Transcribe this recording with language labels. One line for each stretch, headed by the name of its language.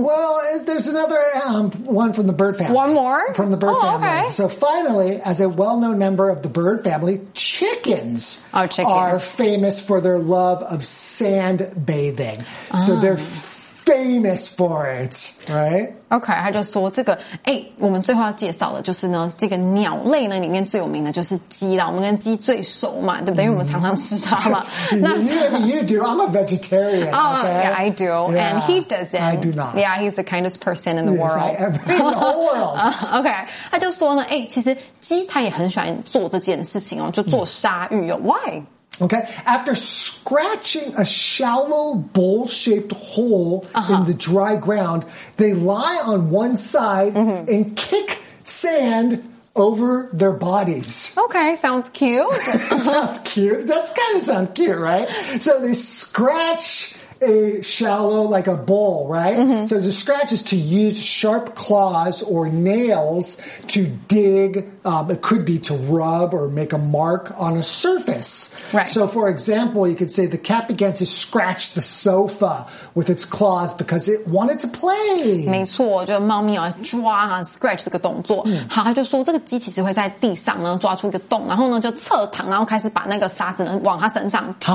English: Well, there's another one from the bird family. One more? From the bird family. Okay. So finally, as a well-known member of the bird family, chickens, chickens are famous for their love of sand bathing. So they're famous for it, right?
Chinese: Okay, 他就说这个，哎，我们最后要介绍的就是呢，这个鸟类呢里面最有名的就是鸡啦，我们跟鸡最熟嘛，对不对？ Mm. 因为我们常常吃它嘛。
English: 那 you do, I'm a vegetarian. Oh, okay? Yeah, I do, yeah. And he doesn't. I do not. Yeah, he's the kindest person in the world. Yes, in the whole world.
Chinese: Okay, 他就说呢，哎，其实鸡他也很喜欢做这件事情哦，就做鲨鱼哦。
English: Why? Okay, after scratching a shallow bowl-shaped hole in the dry ground, they lie on one side and kick sand over their bodies. Okay, sounds cute. Sounds cute. That's kind of sound cute, right? So they scratch a shallow, like a bowl, right? Mm-hmm. So the scratch is to use sharp claws or nails to dig, it could be to rub or make a mark on a surface. Right. So for example, you could say the cat began to scratch the sofa with its claws because it wanted to play.
Chinese: 没错，就猫咪啊抓啊 scratch 这个动作。好，他就说这个鸡其实会在地上呢抓出一个洞，然后呢就侧躺，然后开始把那个沙子呢往它身上踢哦。